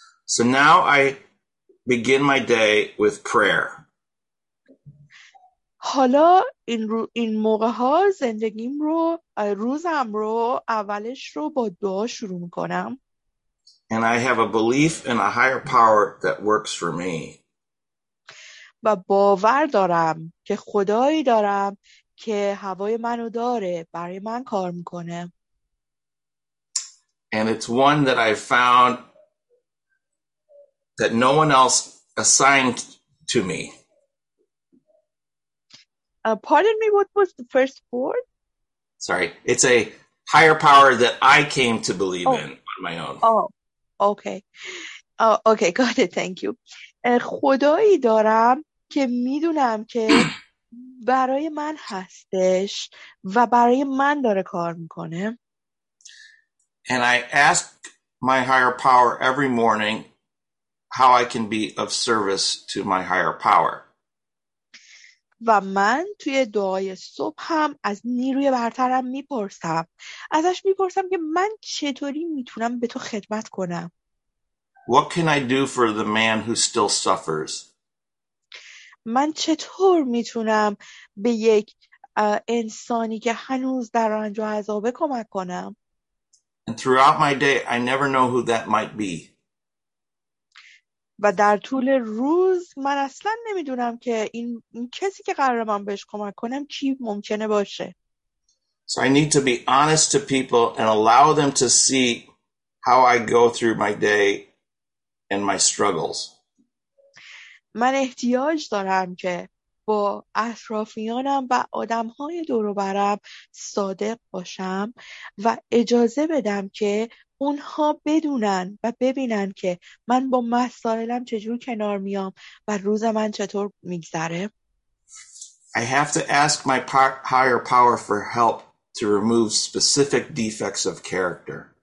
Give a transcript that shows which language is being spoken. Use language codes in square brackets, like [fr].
[en] So now I begin my day with prayer. [fa] حالا این موقع‌ها زندگیم رو، روزم رو، اولش رو با دعا شروع می‌کنم. [en] And I have a belief in a higher power that works for me. [fa] و باور دارم که خدایی دارم که هوای منو داره، برای من کار می‌کنه. [en] And it's one that I found that no one else assigned to me. Pardon me, what was the first word? Sorry, it's a higher power that I came to believe in on my own. Okay, got it, thank you. [fa] خدایی دارم که میدونم که برای من هستش و برای من داره کار میکنه. [en] And I ask my higher power every morning how I can be of service to my higher power. [fa] و من توی دعای صبح هم از نیروی برترم میپرسم، ازش میپرسم که من چطوری میتونم به تو خدمت کنم. [en] What can I do for the man who still suffers? [fa] من چطور میتونم به یک انسانی که هنوز در رنج و عذابه کمک کنم؟ [en] And throughout my day I never know who that might be. [fa] و در طول روز من اصلا نمیدونم که این کسی که قراره من بهش کمک کنم کی ممکنه باشه. [en] So I need to be honest to people and allow them to see how I go through my day and my struggles. [fa] من احتیاج دارم که با اطرافیانم و آدمهای دور و برم صادق باشم و اجازه بدم که اونها بدونن و ببینن که من با مسائلم چجور کنار میام و روز من چطور میگذره. [en] I have to ask my higher power for help to remove specific defects of character.